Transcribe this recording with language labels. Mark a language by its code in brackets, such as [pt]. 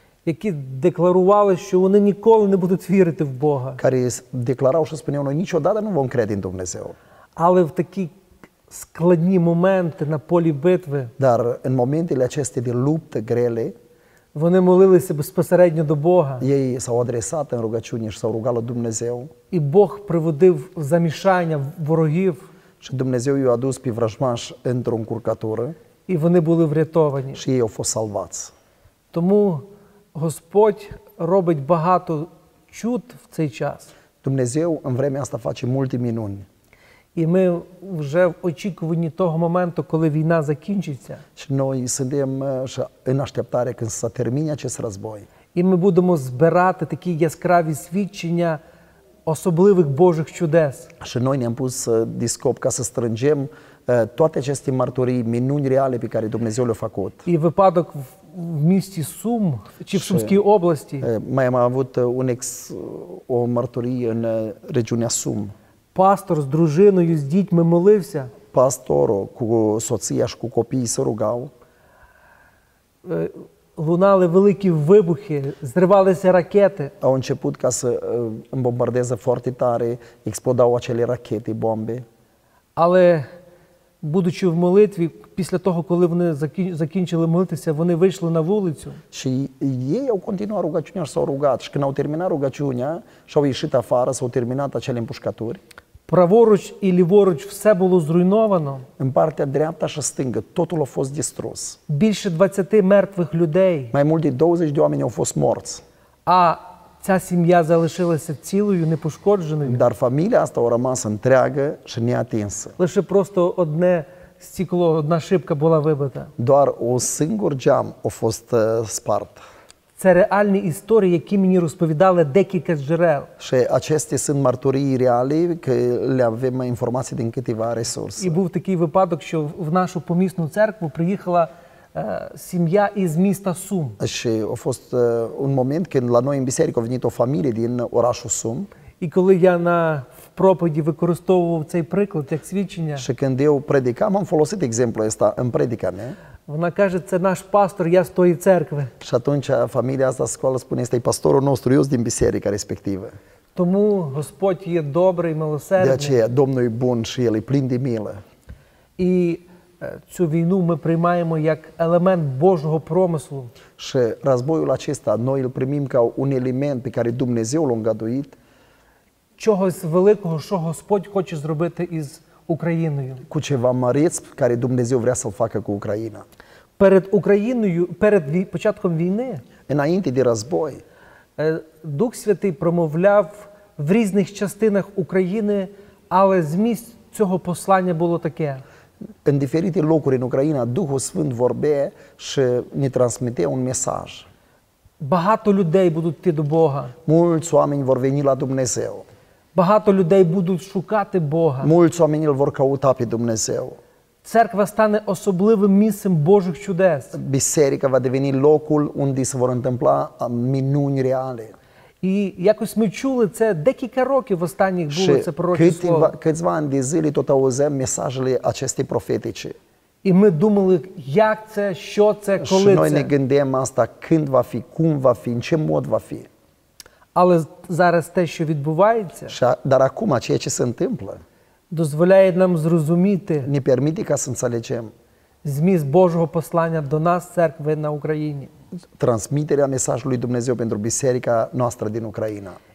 [uk] Які декларували, що вони ніколи не будуть вірити в Бога. [ro] Care declarau și spuneau, noi niciodată nu vom crede în Dumnezeu. [uk] Але в такі складні моменти на полі битви. [ro] Dar în momentele acestea de luptă grele. [uk] Вони молилися безпосередньо до Бога. [ro] Ei s-au adresat în rugăciune și s-au rugat la Dumnezeu. [uk] І Бог приводив в замішання ворогів. [ro] Și Dumnezeu i-a adus pe vrăjmași într-o încurcătură. [uk] І вони були врятовані. [ro] Și ei au fost salvați. [uk] Тому Господь робить багато чуд в цей час. [ro] Dumnezeu în vremea asta face multe minuni. [uk] І ми вже в очікуванні того моменту, коли війна закінчиться. [ro] Și noi suntem în așteptare când se termine acest război. [uk] І ми будемо збирати такі яскраві свідчення особливих Божих чудес. [ro] Și noi ne-am pus discop ca să strângem toate aceste marturii, minuni reale pe care Dumnezeu le-a făcut. [uk] І випадок в місті Сум чи в Сумській області. [ro] Mai am avut o mărturie în regiunea Sum. [uk] Pastor з дружиною, з дітьми молився. [ro] Pastor cu soția și cu copiii se rugau. [uk] Лунали великі вибухи, зривалися ракети. [ro] Au început ca să bombardeze foarte tare, explodau acele rachete, bombe. [uk] Але будучи в молитві, після того, коли вони закінчили молитися, вони вийшли на вулицю. [ro] Și ei au continuat rugăciunea și s-au rugat. Și când au terminat rugăciunea și au ieșit afară, s-au terminat acele împușcături. [uk] Праворуч і ліворуч все було зруйновано. [ro] În partea dreaptă și stângă totul a fost distrus. [uk] Більше 20 мертвих людей. [ro] Mai mult de 20 de oameni au fost morți. [uk] А ця сім'я залишилася цілою, непошкодженою. [ro] Dar familia asta a rămas întreagă și neatinsă. [uk] Лише просто одне стекло, одна шибка була вибита. [ro] Doar un singur geam a fost spart. [uk] Це реальні історії, які мені розповідали декілька джерел. [ro] Și acestea sunt mărturii reale, că le avem informații din câteva resurse. [uk] І був такий випадок, що в нашу помісну церкву приїхала сім'я із міста Сум. [ro] Și a fost un moment când la noi în biserică a venit o familie din orașul Сум. [uk] І коли я на проповіді використовував цей приклад як свідчення. [ro] Și când eu predicam, am folosit exemplul ăsta în predica mea. [uk] Вона каже, це наш пастор, я з тої церкви. [ro] Și atunci familia asta scoală spune, este pastorul nostru, eu din biserica respectivă. [uk] Тому Господь є добрий, милосердний. [ro] De aceea, Domnul e bun și El e plin de milă. [uk] І цю війну ми приймаємо як елемент Божого промислу. [ro] Și războiul acesta, noi îl primim ca un element pe care Dumnezeu l-a îngăduit. [uk] чогось великого, що Господь хоче зробити із Україною. [ro] Cu ceva măreț care Dumnezeu vrea să-l facă cu Ucraina. [uk] Перед Україною, перед початком війни, [ro] înainte de război, [uk] Дух Святий промовляв в різних частинах України, але зміст цього послання було таке. [ro] În diferite locuri în Ucraina, Duhul Sfânt vorbea și ne transmitea un mesaj. [uk] Багато людей будуть йти до Бога. [ro] Mulți oameni vor veni la Dumnezeu. [uk] Багато людей будуть шукати Бога. [ro] Mulți oameni îl vor căuta pe Dumnezeu. [uk] Церква стане особливим місцем Божих чудес. [ro] Biserica va deveni locul unde se vor întâmpla minuni reale. [uk] І якось ми чули це декілька років останніх було це пророче слово. [ro] Câțiva ani de zile tot auzeam mesajele acestei profetice. [uk] І ми думали, як це, що це, коли це. [ro] Și noi ne gândeam asta, când va fi, cum va fi, în ce mod va fi. [uk] Але зараз те, що відбувається, [ro] dar acum ceea ce se întâmplă, [uk] дозволяє нам зрозуміти, [ro] ne permite ca să înțelegem, [uk] зміст Божого послання до нас, церкви на Україні. [ro] Transmiterea mesajului Dumnezeu pentru biserica noastră din Ucraina.